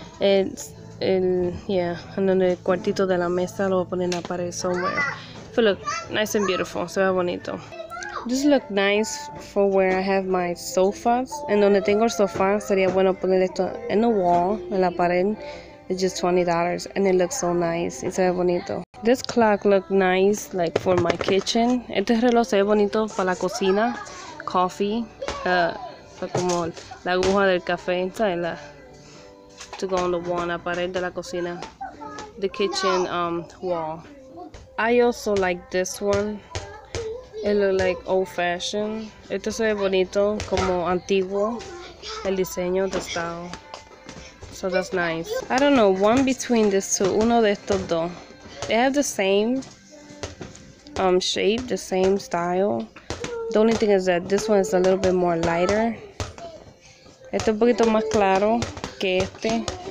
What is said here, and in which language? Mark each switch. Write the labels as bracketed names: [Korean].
[Spanish] En el cuartito de la mesa lo voy a poner en la pared [English] somewhere. But look, nice and beautiful. [Spanish] Se ve bonito. [English] This look nice for where I have my sofas. [Spanish] And donde tengo el sofá, sería bueno poner esto en [English] the wall, [Spanish] en la pared. [English] It's just $20 and it looks so nice. It's very bonito. This clock look nice, like for my kitchen. [Spanish] Este reloj se ve bonito para la cocina, coffee. Como la aguja del café, ¿sabes? [English] To go on the wall, [Spanish] en la pared de la cocina. [English] The kitchen wall. I also like this one. It look like old fashioned. [Spanish] Esto se ve bonito, como antiguo. El diseño de estado. [English] So that's nice. I don't know, one between these two. [Spanish] Uno de estos dos. [English] They have the same shape, the same style. The only thing is that this one is a little bit more lighter. [Spanish] Este es un poquito más claro que este.